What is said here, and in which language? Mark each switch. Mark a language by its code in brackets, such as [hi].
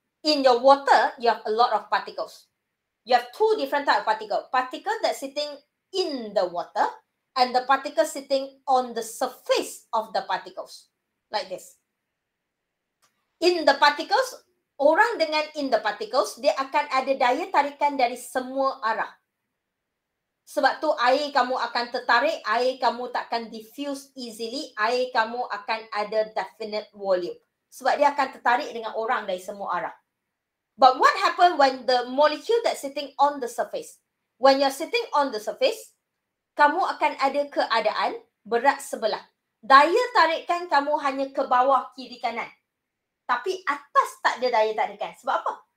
[en] In your water, you have a lot of particles. You have two different types of particles. Particle that's sitting in the water and the particle sitting on the surface of the particles. Like this. In the particles, [ms] orang dengan [en] in the particles, [ms] dia akan ada daya tarikan dari semua arah. Sebab tu air kamu akan tertarik, air kamu takkan [en] diffuse easily, [ms] air kamu akan ada definite volume. Sebab dia akan tertarik dengan orang dari semua arah. [en] But what happen when the molecule that sitting on the surface? When you're sitting on the surface, [ms] kamu akan ada keadaan berat sebelah. Daya tarikan kamu hanya ke bawah kiri kanan. Tapi atas tak ada daya tarikan. Sebab apa?